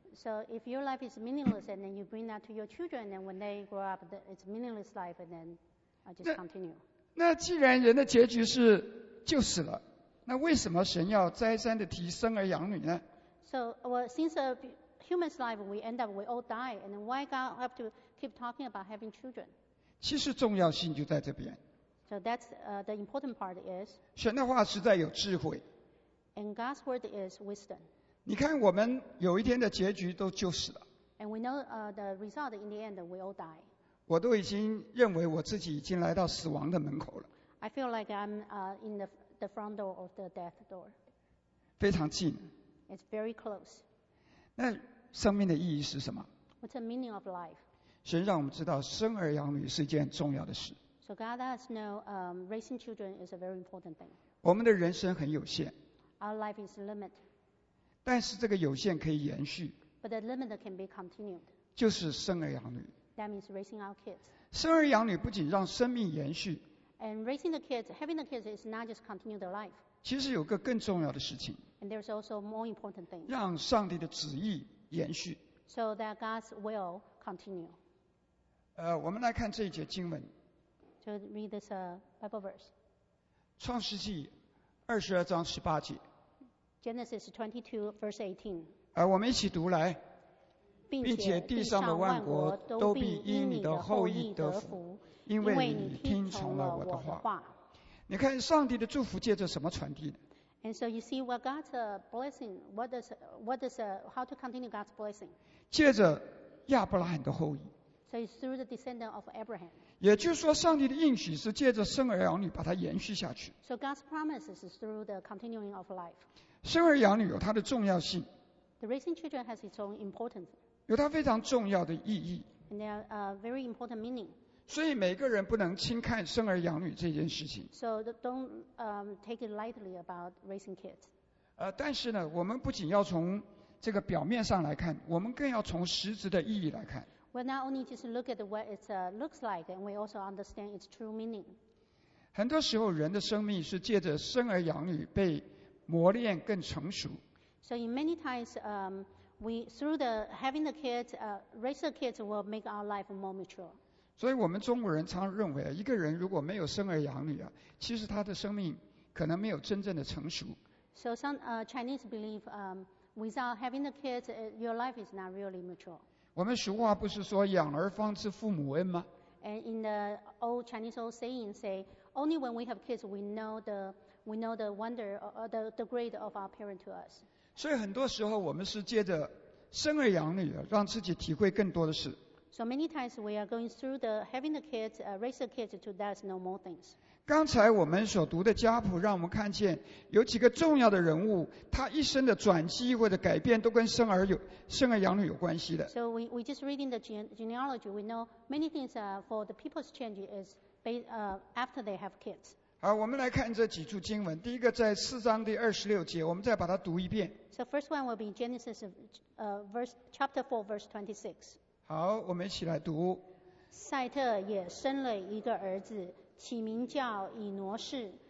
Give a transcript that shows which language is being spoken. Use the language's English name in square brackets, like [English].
[English] So if your life is meaningless, and then you bring that to your children, and when they grow up, it's meaningless life, and then just continue. [Chinese] 那既然人的结局是就死了，那为什么神要再三的提生儿养女呢？ [English] So, well, since a human's life, we end up, we all die, and why God have to keep talking about having children? [Chinese] 其实重要性就在这边。 [English] So that's the important part is. [Chinese] 神的话实在有智慧。 [English] And God's word is wisdom. [Chinese] 你看，我们有一天的结局都就死了。 [English] And we know the result in the end, we all die. [Chinese] 我都已经认为我自己已经来到死亡的门口了。 [English] I feel like I'm in the front door of the death door. [Chinese] 非常近。 [English] It's very close. [Chinese] 那生命的意义是什么？ [English] What's the meaning of life? [Chinese] 神让我们知道生儿养女是一件重要的事。 [English] So God does know raising children is a very important thing. [Chinese] 我们的人生很有限。 [English] Our life is limited. [Chinese] 但是这个有限可以延续。 [English] But the limit can be continued. [Chinese] 就是生儿养女。 [English] That means raising our kids. [Chinese] 生儿养女不仅让生命延续。 [English] And raising the kids, having the kids is not just continue the life. [Chinese] 其实有个更重要的事情， [English] And there's also more important thing. [Chinese] 让上帝的旨意延续。 [English] So that God's will continue. [Chinese] 我们来看这一节经文。 [English] So read this Bible verse. [Chinese] 创世纪22:18。 [English] Genesis 22:18。 [Chinese] 我们一起读来。并且地上的万国都必因你的后裔得福，因为你听从了我的话。你看上帝的祝福借着什么传递呢？ [English] And so you see what God's blessing, how to continue God's blessing? [Chinese] 借着亚伯拉罕的后裔。 [English] So it's through the descendant of Abraham. [Chinese] 也就是说上帝的应许是借着生儿养女把它延续下去。 [English] So God's promise is through the continuing of life. [Chinese] 生儿养女有它的重要性。 [English] The raising children has its own importance. [Chinese] 有它非常重要的意义。 [English] And they have a very important meaning. [Chinese] 所以每个人不能轻看生儿养女这件事情。 [English] So don't take it lightly about raising kids. [Chinese] 但是呢，我们不仅要从这个表面上来看，我们更要从实质的意义来看。 [English] We're not only just look at what it looks like, and we also understand its true meaning. [Chinese] 很多时候人的生命是借着生儿养女被磨练更成熟。 [English] So in many times, we through the having the kids, raise the kids will make our life more mature. [Chinese] 所以我们中国人常认为，一个人如果没有生儿养女啊，其实他的生命可能没有真正的成熟。 [English] So some Chinese believe, without having the kids, your life is not really mature. [Chinese] 我们俗话不是说养儿方知父母恩吗？ [English] And in the old Chinese old saying say, only when we have kids, we know the wonder or the great of our parent to us. [Chinese] 所以很多时候我们是借着生儿养女，让自己体会更多的事。 [English] So many times we are going through the having the kids, raise the kids to thus know more things. [Chinese] 刚才我们所读的家谱让我们看见有几个重要的人物，他一生的转机或者改变都跟生儿养女有关系的。 [English] So we just reading the genealogy, we know many things for the people's change is based, after they have kids. [Chinese] 好，我们来看这几处经文。第一个在四章第二十六节，我们再把它读一遍。 [English] So first one will be Genesis, chapter 4, verse 26. [Chinese] 好，我们一起来读。赛特也生了一个儿子，起名叫以挪士。